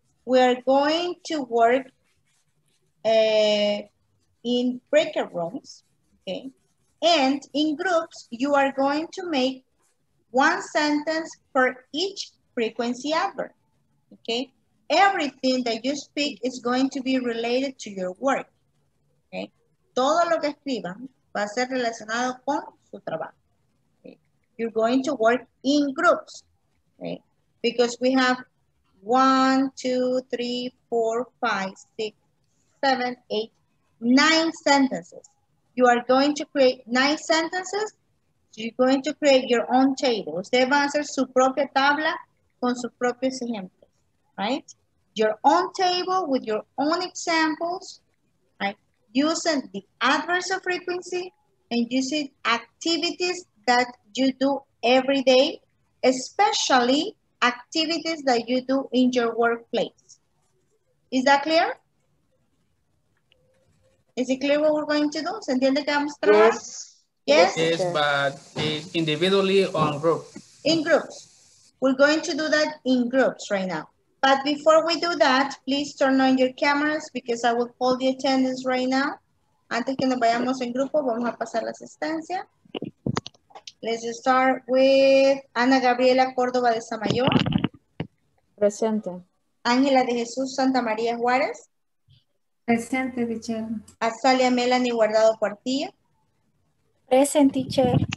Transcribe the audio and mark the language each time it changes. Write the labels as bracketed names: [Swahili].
[English] We are going to work in breakout rooms, okay? And in groups, you are going to make one sentence for each frequency adverb, okay? Everything that you speak is going to be related to your work, okay? [Spanish] Todo lo que escriban va a ser relacionado con su trabajo, okay? [English] You're going to work in groups, okay? Because we have 1, 2, 3, 4, 5, 6, 7, 8, 9 sentences. You are going to create 9 sentences. You're going to create your own table. [Spanish] Usted va a hacer su propia tabla con sus propios ejemplos, right? [English] Your own table with your own examples, right? Using the adverbs of frequency and using activities that you do every day, especially activities that you do in your workplace. Is that clear? Is it clear what we're going to do? [Spanish] ¿Se entiende que vamos a trabajar? [English] Yes. Yes, yes, but individually or in groups? In groups. We're going to do that in groups right now. But before we do that, please turn on your cameras because I will call the attendance right now. [Spanish] Antes que nos vayamos en grupo, vamos a pasar la asistencia. [English] Let's just start with Ana Gabriela Córdoba de Samayor. [Spanish] Presente. Ángela de Jesús Santa María Juárez. Presente, teacher. Azalia Melanie Guardado Cuartilla. [English] Present, teacher.